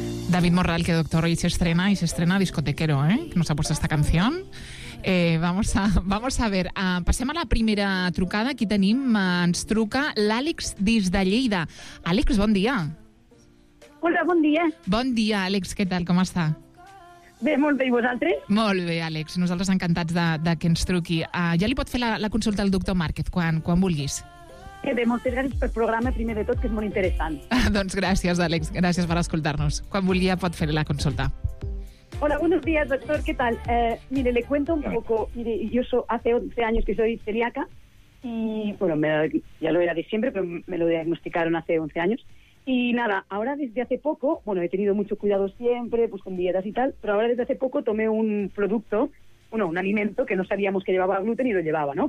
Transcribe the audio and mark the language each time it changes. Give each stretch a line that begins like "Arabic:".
Spanish: David Morral, que doctor hoy se estrena discotequero, que nos ha puesto esta canción. Vamos a ver,
Catalan: passem a la primera trucada. Aquí tenim, ens truca l'Àlex des de Lleida. Àlex, bon dia. Hola, bon dia. Bon dia, Àlex, què tal, com està? Bé, molt bé, i vosaltres? Molt bé, Àlex, nosaltres encantats de que ens truqui. Ja li pot fer la consulta al doctor Márquez quan vulguis. Que bé, moltes gràcies pel programa, primer de tot, que és molt interessant. Doncs gràcies, Àlex, gràcies per escoltar-nos. Quan vulgui ja pot fer la consulta.
Spanish: Hola, buenos días, doctor, ¿qué tal? Mire, le cuento un poco, mire, yo hace 11 años que soy celíaca y, bueno, ya lo era de siempre, pero me lo diagnosticaron hace 11 años. Y nada, ahora desde hace poco, bueno, he tenido mucho cuidado siempre, pues con dietas y tal, pero ahora desde hace poco tomé un producto, bueno, un alimento que no sabíamos que llevaba gluten y lo llevaba, ¿no?